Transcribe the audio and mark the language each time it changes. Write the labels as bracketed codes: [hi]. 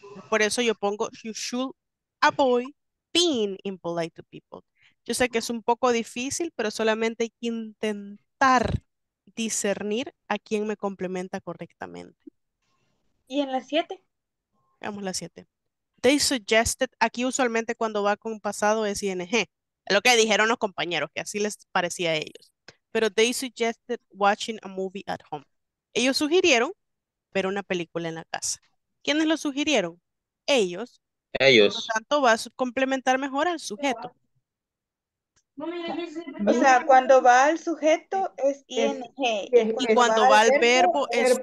[es] Por eso yo pongo, [en] you should avoid being impolite to people. [es] Yo sé que es un poco difícil, pero solamente hay que intentar discernir a quién me complementa correctamente. ¿Y en las 7? Veamos las 7. [en] They suggested, [es] aquí usualmente cuando va con pasado es ING, lo que dijeron los compañeros, que así les parecía a ellos. [en] Pero they suggested watching a movie at home. [es] Ellos sugirieron ver una película en la casa. ¿Quiénes lo sugirieron? Ellos. Ellos. Por lo tanto, va a complementar mejor al sujeto. O sea, cuando va al sujeto es ING. Y cuando va al verbo es